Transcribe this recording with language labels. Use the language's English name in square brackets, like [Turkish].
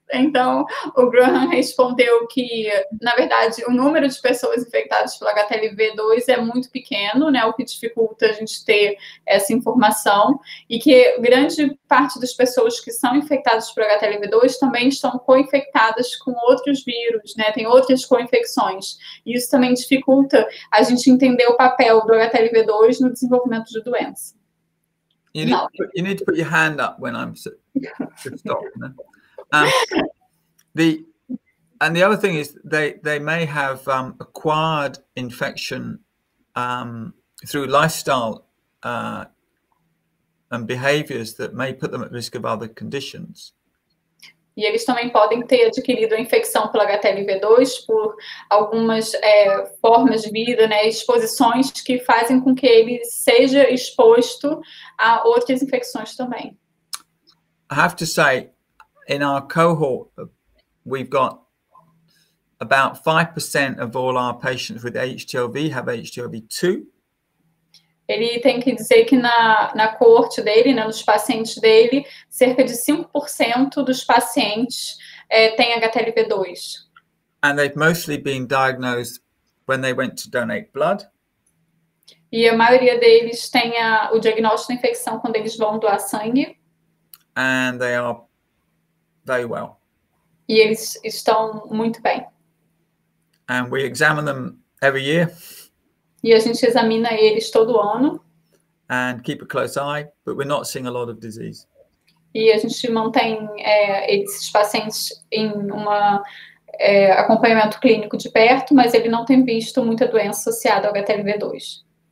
[Portuguese] Então, o Graham respondeu que, na verdade, o número de pessoas infectadas pela HTLV-2 é muito pequeno, né, o que dificulta a gente ter essa informação, e que grande parte das pessoas que são infectadas por HTLV-2 também estão co-infectadas com outros vírus, né, tem outras co-infecções. E isso também dificulta a gente entender o papel do HTLV-2 no desenvolvimento de doença. [English] You need to put your hand up when I'm stopped, né? The other thing is they may have acquired infection through lifestyle and behaviors that may put them at risk of other conditions. [Portuguese] E eles também podem ter adquirido a infecção pela HTLV-2 por algumas formas de vida, né, exposições que fazem com que ele seja exposto a outras infecções também. [English] I have to say, in our cohort, we've got about 5% of all our patients with HTLV have HTLV-2. [Portuguese] Ele tem que dizer que na coorte dele, né, nos pacientes dele, cerca de 5% dos pacientes têm HTLV-2. [English] And they've mostly been diagnosed when they went to donate blood. [Portuguese] E a maioria deles tem o diagnóstico da infecção quando eles vão doar sangue. [English] And they are very well. [Portuguese] E eles estão muito bem. [English] And we examine them every year. [Portuguese] E a gente examina eles todo ano. [English] And keep a close eye, but we're not seeing a lot of disease. [Portuguese] E a gente mantém esses pacientes em um acompanhamento clínico de perto, mas ele não tem visto muita doença associada ao HTLV-2.